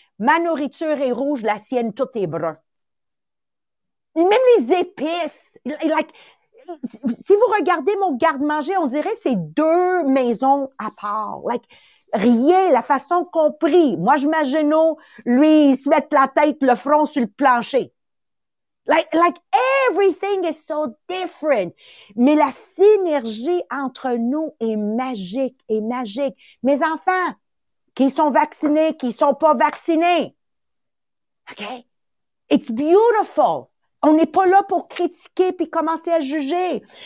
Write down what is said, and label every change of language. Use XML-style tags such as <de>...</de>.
<fr>Ma nourriture est rouge, la sienne, tout est brun. Même les épices, like, si vous regardez mon garde-manger, on dirait que c'est deux maisons à part. Like, rien, la façon qu'on prie. Moi, je m'agenouille, lui, il se met la tête, le front sur le plancher.</fr> <en>Like, everything is so different.</en> <fr>Mais la synergie entre nous est magique, est magique. Mes enfants, qui sont vaccinés, qui sont pas vaccinés. OK? It's beautiful. On n'est pas là pour critiquer puis commencer à juger.</fr>